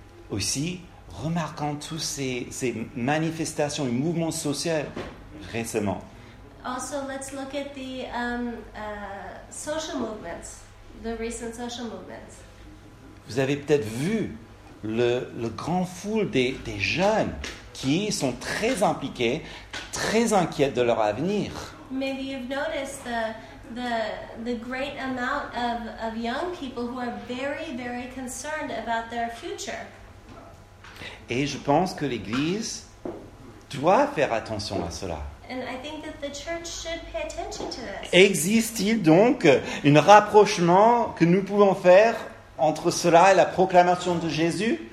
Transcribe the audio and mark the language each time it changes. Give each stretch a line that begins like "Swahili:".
French: Aussi, remarquant tous ces manifestations et mouvements sociaux récemment.
English: Also, let's look at the social movements, the recent social movements.
French: Vous avez peut-être vu le grand foule des jeunes qui sont très impliqués, très inquiets de leur avenir.
English: Maybe you've noticed the great amount of young people who are very, very concerned about their future.
French: Et je pense que l'Église doit faire attention à cela.
English: And I think that the church should pay attention to this.
French: Existe-t-il donc un rapprochement que nous pouvons faire entre cela et la proclamation de Jésus?